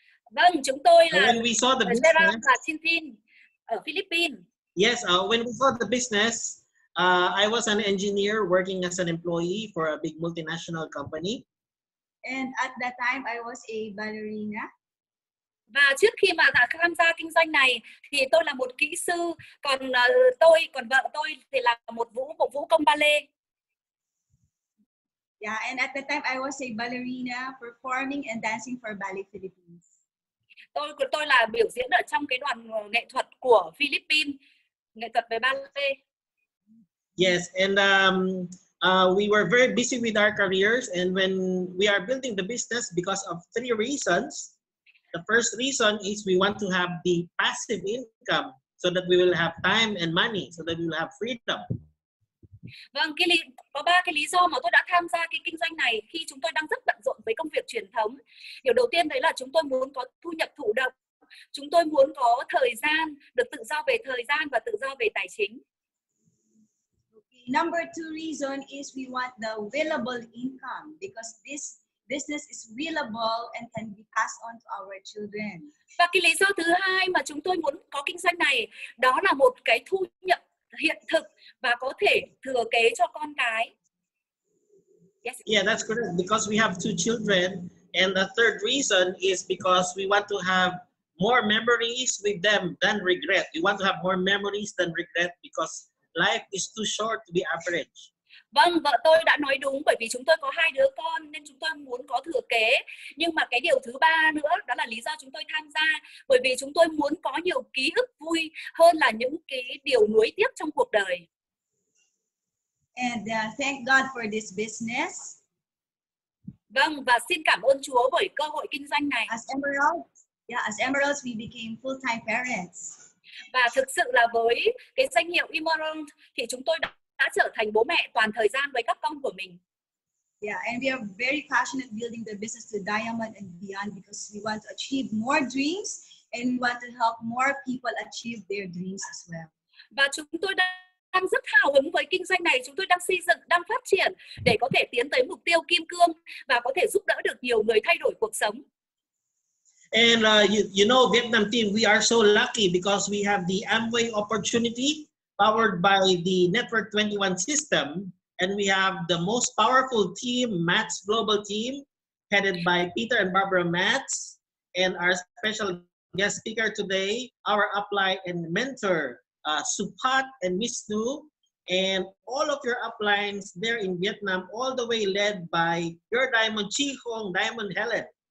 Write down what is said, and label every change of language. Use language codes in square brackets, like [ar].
[vi] Vâng, chúng tôi là [en] when we saw the business, [vi] Tin Tin ở Philippines. [en] Yes, when we saw the business, I was an engineer working as an employee for a big multinational company. And at that time, I was a ballerina. [vi] Và trước khi mà tham gia kinh doanh này thì tôi là một kỹ sư, còn tôi, còn vợ tôi thì là một vũ công ballet. [en] Yeah, and at that time I was a ballerina performing and dancing for Ballet Philippines. [vi] Tôi là biểu diễn ở trong cái đoàn nghệ thuật của Philippines, nghệ thuật về ballet. [en] Yes, and we were very busy with our careers, and when we are building the business because of three reasons. The first reason is we want to have the passive income so that we will have time and money so that we will have freedom. [vi] Vâng, có ba cái lý do mà tôi đã tham gia cái kinh doanh này khi chúng tôi đang rất bận rộn với công việc truyền thống. Điều đầu tiên đấy là chúng tôi muốn có thu nhập thụ động, chúng tôi muốn có thời gian, được tự do về thời gian và tự do về tài chính. [en] Number two reason is we want the willable income because this business is willable and can be passed on to our children. [vi] Và cái lý do thứ hai mà chúng tôi muốn có kinh doanh này đó là một cái thu nhập hiện thực và có thể thừa kế cho con cái. [en] Yes. Yeah, that's correct. Because we have two children, and the third reason is because we want to have more memories with them than regret. We want to have more memories than regret because life is too short to be average. [vi] Vâng, vợ tôi đã nói đúng, bởi vì chúng tôi có hai đứa con nên chúng tôi muốn có thừa kế. Nhưng mà cái điều thứ ba nữa đó là lý do chúng tôi tham gia, bởi vì chúng tôi muốn có nhiều ký ức vui hơn là những cái điều nuối tiếc trong cuộc đời. [en] And thank God for this business. [vi] Vâng, và xin cảm ơn Chúa bởi cơ hội kinh doanh này. [en] As Emeralds, we became full-time parents. [vi] Và thực sự là với cái danh hiệu Emerald thì chúng tôi đã trở thành bố mẹ toàn thời gian với các con của mình. [en] Yeah, and we are very passionate building the business to diamond and beyond because we want to achieve more dreams and we want to help more people achieve their dreams as well. [vi] Và chúng tôi đang rất hào hứng với kinh doanh này, chúng tôi đang xây dựng, đang phát triển để có thể tiến tới mục tiêu kim cương và có thể giúp đỡ được nhiều người thay đổi cuộc sống. [en] And you know, Vietnam team, we are so lucky because we have the Amway opportunity powered by the Network 21 system, and we have the most powerful team, Matt's Global Team, headed by Peter and Barbara Matz, and our special guest speaker today, our upline and mentor, Supat and Miss Du, and all of your uplines there in Vietnam, all the way led by your Diamond Chi Hong, Diamond Helen.